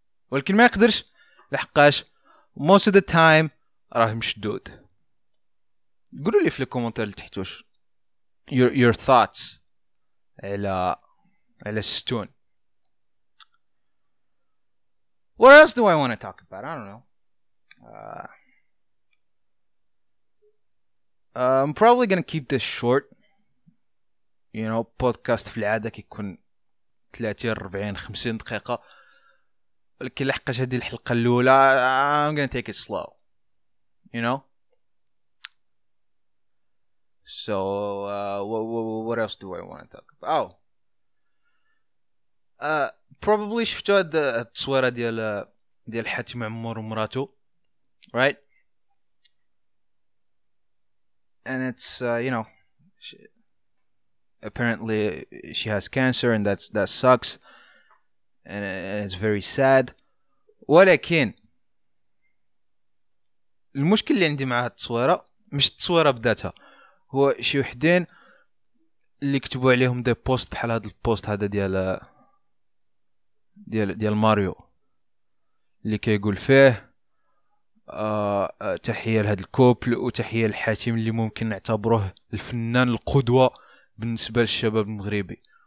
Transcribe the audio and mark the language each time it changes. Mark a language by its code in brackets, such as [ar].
[ar] ولكن ما يقدرش لحقاش [en] most of the time [ar] راه مشدود. قولوا لي في الكومنتر اللي تحتوش [en] your thoughts [ar] على ستون. [en] What else do I want to talk about? I don't know. I'm probably going to keep this short. You know, podcast [ar] في العادة كيكون [en] 30-40-50 [ar] دقيقة. لكن لحقاش هذه الحلقة الأولى [en] I'm going to take it slow. You know? So what else do I want to talk about? [ar] Probably شفتوا هاد التصويرة ديال حاتم عمر ومراته, right? [en] And it's you know, apparently she has cancer and that sucks, and it's very sad. [ar] ولكن المشكل اللي عندي مع هاد التصويرة مش التصويرة بذاتها. هو شي وحدين اللي كتبوا عليهم دي بوست بحال هذا البوست هذا ديال ماريو اللي كيقول فيه تحيه لهذا الكوبل وتحيه لحاتم اللي ممكن نعتبره الفنان القدوه بالنسبه للشباب المغربي.